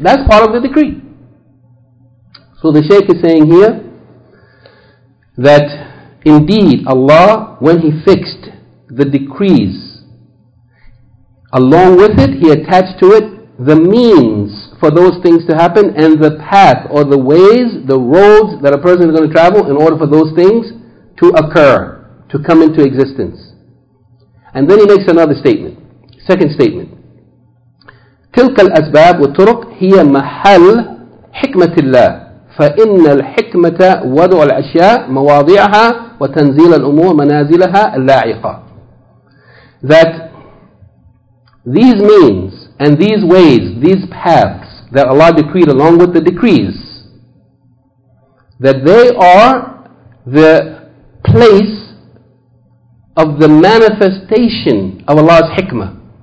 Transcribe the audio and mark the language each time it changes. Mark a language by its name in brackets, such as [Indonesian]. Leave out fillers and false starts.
[English] That's part of the decree. So the Shaykh is saying here that indeed Allah, when He fixed the decrees, along with it, He attached to it the means for those things to happen and the path or the ways, the roads that a person is going to travel in order for those things to occur, to come into existence. And then He makes another statement. Second statement. [Arabic] تلك الأسباب والطرق هي محل حكمة الله فإن الحكمة وضع الأشياء مواضعها وتنزيل الأمور منازلها اللائقة. [English] That these means and these ways, these paths that Allah decreed along with the decrees, that they are the place of the manifestation of Allah's hikmah.